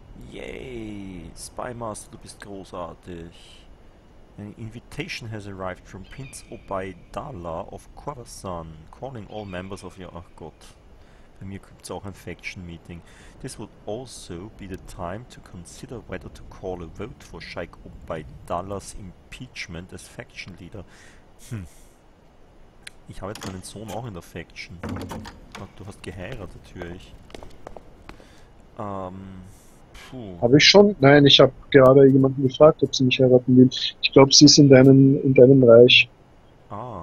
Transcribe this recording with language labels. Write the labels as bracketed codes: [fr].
[de] Yay! Spymaster, du bist großartig. [en] An invitation has arrived from Prince Obaidallah of Khorasan, calling all members of your. [de] Ach Gott. Bei mir gibt es auch ein Faction Meeting. [en] This would also be the time to consider whether to call a vote for Sheikh Obaidallah's impeachment as Faction Leader. Hm. [de] Ich habe jetzt meinen Sohn auch in der Faction. Ach, du hast geheiratet, natürlich. Habe ich schon? Nein, ich habe gerade jemanden gefragt, ob sie mich heiraten will. Ich glaube, sie ist in deinem Reich. Ah.